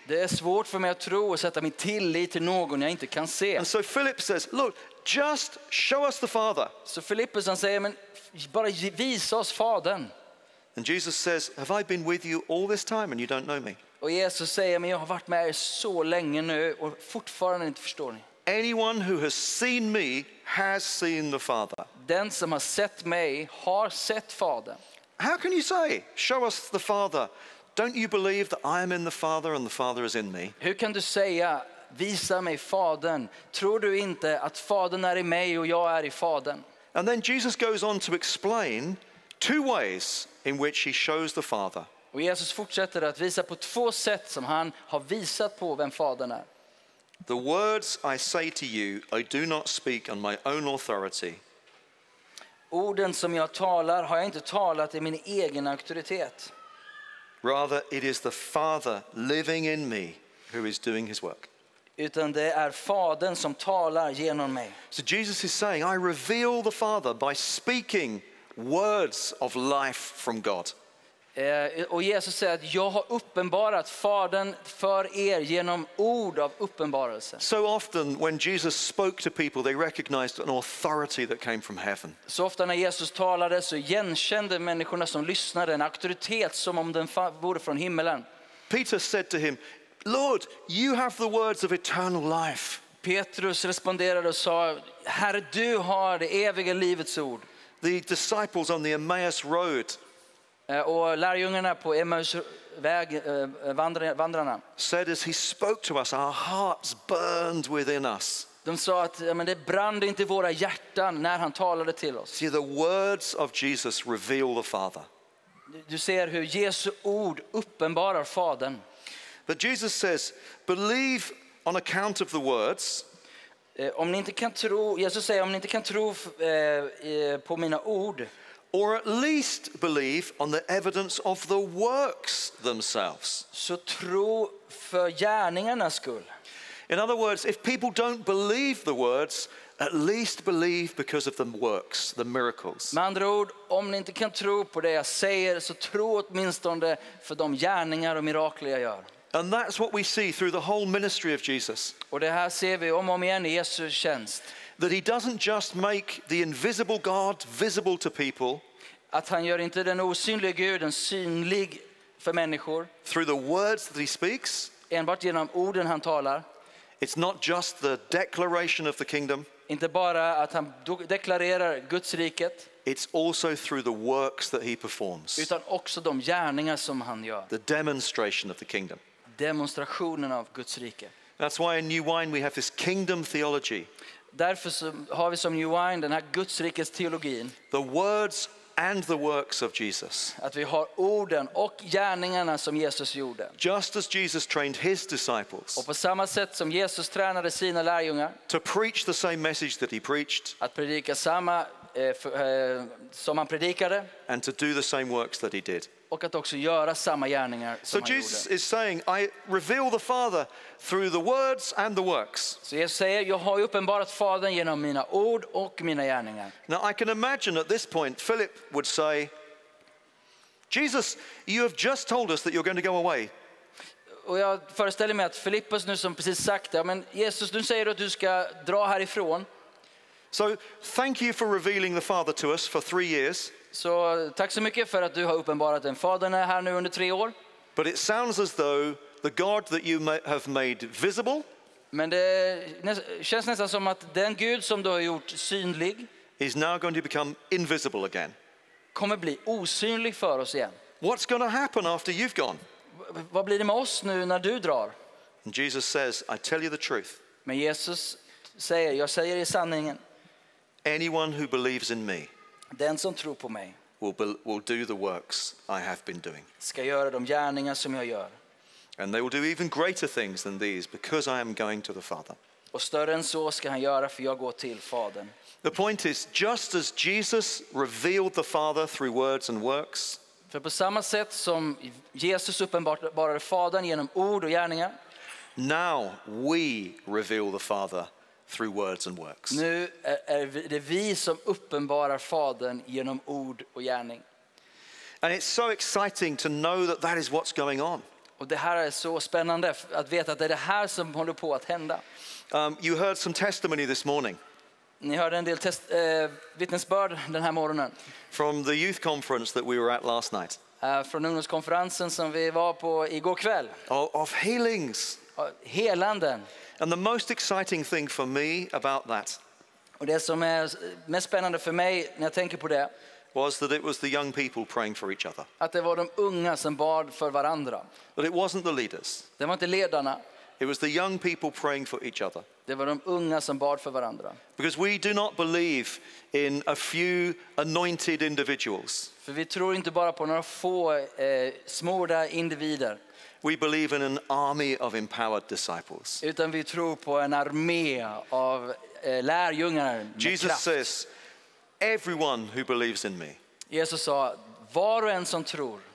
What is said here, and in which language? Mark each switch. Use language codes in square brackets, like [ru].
[sv] Det är svårt för mig att tro och sätta min tillit till någon jag inte kan se. [en] And so Philip says, look, just show us the Father. [sv] Så Filippus han säger, men bara visa oss Fadern. [en] And Jesus says, have I been with you all this time and you don't know me? [sv] Och Jesus säger, men jag har varit med er så länge nu och fortfarande inte förstår ni. [en] Anyone who has seen me has seen the Father. [sv] Den som har sett mig har sett Fadern. [en] How can you say, show us the Father? Don't you believe that I am in the Father and the Father is in me? [sv] Hur kan du säga, visa mig Fadern? Tror du inte att Fadern är i mig och jag är i Fadern? [en] And then Jesus goes on to explain two ways in which he shows the Father. [sv] Och Jesus fortsätter att visa på två sätt som han har visat på vem Fadern är. [en] The words I say to you, I do not speak on my own authority. [sv] Orden som jag talar har jag inte talat i min egen auktoritet. [en] Rather, it is the Father living in me who is doing his work. [sv] Utan det är Fadern som talar genom mig. [en] So Jesus is saying, I reveal the Father by speaking words of life from God. [sv] Och Jesus säger att jag har uppenbarat Fadern för er genom ord av uppenbarelse. [en] So often when Jesus spoke to people they recognized an authority that came from heaven. [sv] Så ofta när Jesus talade så igenkände människorna som lyssnade en auktoritet som om den vore från himmelen. [en] Peter said to him, Lord, you have the words of eternal life. [sv] Petrus responderade och sa, Herre, du har det eviga livets ord. [en] The disciples on the Emmaus road [sv] och lärjungarna på Emmaus väg vandrarna [en] said as he spoke to us our hearts burned within us. [sv] De sa att men det brann inte i våra hjärtan när han talade till oss. [en] See, the words of Jesus reveal the Father. [sv] Du ser hur Jesu ord uppenbarar Fadern. [en] But Jesus says believe on account of the words. [sv] Om ni inte kan tro, Jesus säger om ni inte kan tro på mina ord. [en] Or at least believe on the evidence of the works themselves. [sv] Så tro för gärningarnas skull. [en] In other words, if people don't believe the words, at least believe because of the works, the miracles. [sv] Med andra ord, om ni inte kan tro på det jag säger, så tro åtminstone för de gärningar och mirakler jag gör. [en] And that's what we see through the whole ministry of Jesus. [sv] Och det här ser vi om och om igen i Jesu tjänst. [en] That he doesn't just make the invisible God visible to people. [sv] Att han gör inte den osynliga guden synlig för människor. [en] Through the words that he speaks. [sv] Enbart genom orden han talar. [en] It's not just the declaration of the kingdom. [sv] Inte bara att han deklarerar Guds riket. [en] It's also through the works that he performs. [sv] Utan också de gärningar som han gör. [en] The demonstration of the kingdom. [sv] Demonstrationen av Guds rike. [en] That's why in New Wine we have this kingdom theology. [sv] Därför har vi som New Wine den här Guds rikets teologin. [en] The words and the works of Jesus. [sv] Att vi har orden och gärningarna som Jesus gjorde. [en] Just as Jesus trained his disciples. [sv] Och på samma sätt som Jesus tränade sina lärjungar. [en] To preach the same message that he preached. [sv] Att predika samma som han predikade. [en] And to do the same works that he did. [sv] Och att också göra samma gärningar som han gjorde. [en] So Jesus is saying, I reveal the Father through the words and the works. [sv] Så jag säger, jag har uppenbarat Fadern genom mina ord och mina gärningar. [en] Now I can imagine at this point, Philip would say, Jesus, you have just told us that you're going to go away. [sv] Och jag föreställer mig att Filippus nu som precis sagt det, men Jesus, nu säger du att du ska dra härifrån. [en] So thank you for revealing the Father to us for 3 years. [sv] Så tack så mycket för att du har uppenbarat den Fadern här nu under 3 år. [en] But it sounds as though the God that you have made visible. [sv] Men det känns nästan som att den Gud som du har gjort synlig [en] is now going to become invisible again. [sv] Kommer bli osynlig för oss igen. [en] What's going to happen after you've gone? [sv] Vad blir det med oss nu när du drar? [en] And Jesus says, I tell you the truth. [sv] Men Jesus säger, jag säger er sanningen. [en] Anyone who believes in me. [sv] Den som tror på mig [en] will do the works I have been doing. [sv] Ska göra de gärningar som jag gör. [en] And they will do even greater things than these because I am going to the Father. [sv] Och större än så ska han göra för jag går till Fadern. [en] The point is, just as Jesus revealed the Father through words and works. [sv] För på samma sätt som Jesus uppenbarade Fadern genom ord och gärningar. [en] Now we reveal the Father through words and works. [sv] Nu är det vi som uppenbarar Fadern genom ord och gärning. [en] And it's so exciting to know that that is what's going on. [sv] Och det här är så spännande att veta att det är det här som håller på att hända. [en] You heard some testimony this morning. [sv] Ni hörde en del vittnesbörd den här morgonen. [en] From the youth conference that we were at last night. [sv] Från ungdomskonferensen som vi var på igår kväll. [en] Of healings. [sv] Helanden. [en] And the most exciting thing for me about that. [sv] Och det som är mest spännande för mig när jag tänker på det [en] was that it was the young people praying for each other. [sv] Att det var de unga som bad för varandra. [en] But it wasn't the leaders. [sv] Det var inte ledarna. [en] It was the young people praying for each other. [sv] Det var de unga som bad för varandra. [en] Because we do not believe in a few anointed individuals. [sv] För vi tror inte bara på några få smorda individer. [en] We believe in an army of empowered disciples. [sv] Utan vi tror på en armé av lärjungar. [en] Jesus says, everyone who believes in me. [sv] Jesus sa, var och en som tror